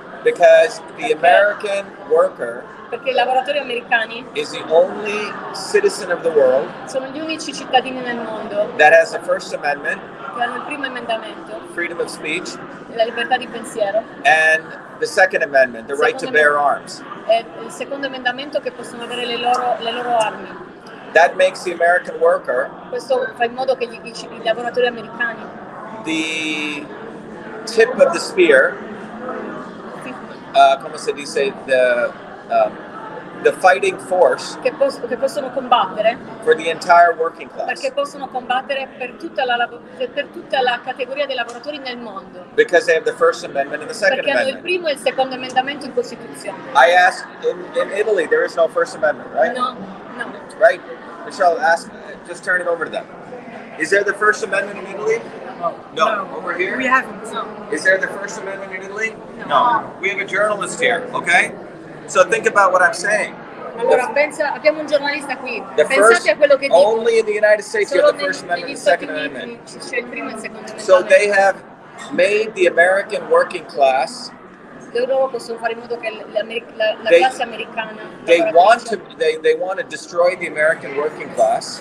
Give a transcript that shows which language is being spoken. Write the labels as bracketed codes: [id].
[en] Because the American worker. [it] Perché I lavoratori americani [en] is the only citizen of the world [it] sono gli unici cittadini nel mondo [en] that has the First Amendment, [it] che hanno il primo emendamento, [en] freedom of speech, [it] la libertà di pensiero, [en] and the Second Amendment, the right to bear arms. [it] È il secondo emendamento che possono avere le loro armi. [en] That makes the American worker, [it] questo fa in modo che i lavoratori americani, [en] the tip of the spear, [it] come si dice, [en] the fighting force [it] che possono combattere [en] for the entire working class, [it] perché possono combattere per tutta la categoria dei lavoratori nel mondo, [en] because they have the First Amendment and the Second [it] perché [en] Amendment, [it] perché hanno il primo e il secondo emendamento in Costituzione. [en] I ask in Italy there is no First Amendment, right? No, right? Michelle, ask, just turn it over to them. Is there the First Amendment in Italy? No. No. Over here? We haven't. No. Is there the First Amendment in Italy? No. We have a journalist here, okay? So think about what I'm saying. [it] Allora, pensa, abbiamo un giornalista qui. The pensate first, a quello che dico. [en] Only in the United States you have the First Amendment and the Second Amendment. [it] C'è il primo e il secondo [en] so they have made the American working class. [it] Loro possono fare in modo che la classe americana. [en] They want to destroy the American working class.